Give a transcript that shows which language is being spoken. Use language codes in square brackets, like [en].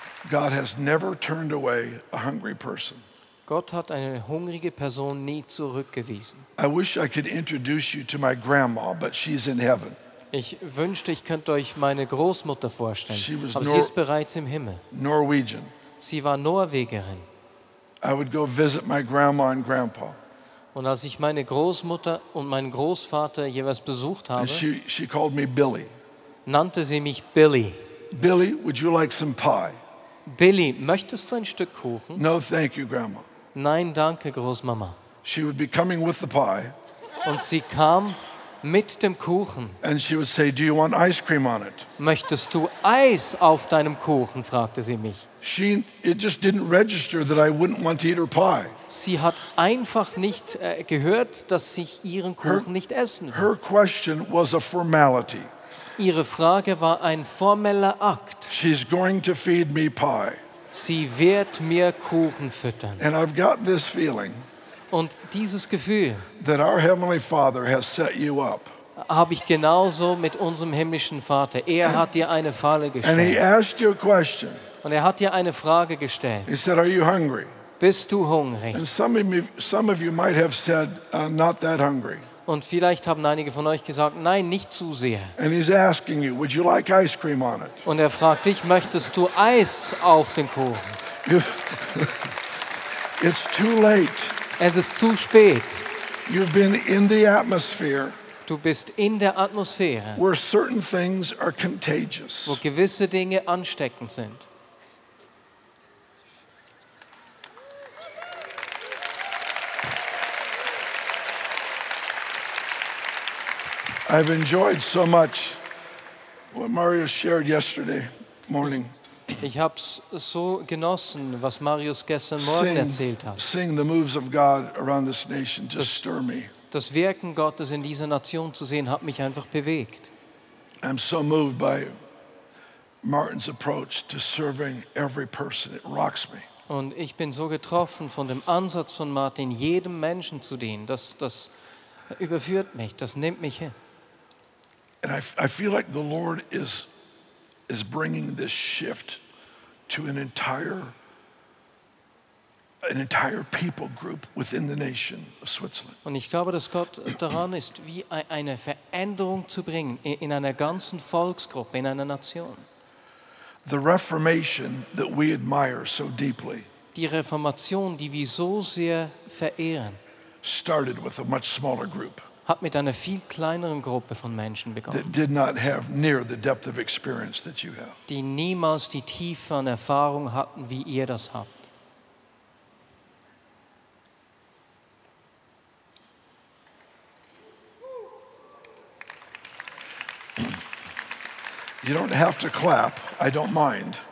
[en] God has never turned away a hungry person. [de] Gott hat eine hungrige Person nie zurückgewiesen. [en] I wish I could introduce you to my grandma, but she's in heaven. [de] Ich wünschte, ich könnte euch meine Großmutter vorstellen, aber sie ist bereits im Himmel. [en] Norwegian. [de] Sie war Norwegerin. [en] I would go visit my grandma and grandpa. [de] Und als ich meine Großmutter und meinen Großvater jeweils besucht habe, [en] she called me Billy. [de] Nannte sie mich Billy. [en] Billy, would you like some pie? [de] Billy, möchtest du ein Stück Kuchen? [en] No, thank you, Grandma. [de] Nein, danke, Großmama. [en] She would be coming with the pie. [de] Und sie kam mit dem Kuchen. [en] And she would say, do you want ice cream on it? [de] Möchtest du Eis auf deinem Kuchen, fragte sie mich. [en] It just didn't register that I wouldn't want to eat her pie. [de] Sie hat einfach nicht gehört, dass ich ihren Kuchen nicht essen will. [en] Her question was a formality. [de] Ihre Frage war ein formeller Akt. [en] She's going to feed me pie. [de] Sie wird mir Kuchen füttern. [en] And I've got this feeling. [de] Und dieses Gefühl. [en] That our Heavenly Father has set you up. [de] Habe ich genauso mit unserem himmlischen Vater. Hat dir eine Falle gestellt. [en] And he asked you a question. [de] Und hat dir eine Frage gestellt. [en] He said, are you hungry? [de] Bist du hungrig? [en] And some of you might have said, not that hungry. [de] Und vielleicht haben einige von euch gesagt, nein, nicht zu sehr. [en] And he's asking you, would you like ice cream on it? [de] Und fragt dich, möchtest du Eis auf den Kuchen? [en] It's too late. [de] Es ist zu spät. [en] You've been in the atmosphere. [de] Du bist in der Atmosphäre. [en] Where certain things are contagious. [de] Wo gewisse Dinge ansteckend sind. [en] I've enjoyed so much what Mario shared yesterday morning. [de] Ich habe so genossen, was Marius gestern Morgen erzählt hat. [en] Seeing the moves of God around this nation just stir me. [de] Das Wirken Gottes in dieser Nation zu sehen, hat mich einfach bewegt. [en] I'm so moved by Martin's approach to serving every person. It rocks me. [de] Und ich bin so getroffen von dem Ansatz von Martin, jedem Menschen zu dienen. Das überführt mich. Das nimmt mich hin. [en] And I feel like the Lord is bringing this shift to an entire an entire people group within the nation of Switzerland. [de] Und ich glaube, dass Gott daran ist, wie eine Veränderung zu bringen in einer ganzen Volksgruppe, in einer Nation. [en] The Reformation that we admire so deeply. [de] Die Reformation, die wir so sehr verehren. [en] Started with a much smaller group. [de] Hat mit einer viel kleineren Gruppe von Menschen begonnen. [en] That did not have near the depth of experience that you have. [de] Die niemals die Tiefe an Erfahrung hatten, wie ihr das habt. [en] You don't have to clap. I don't mind.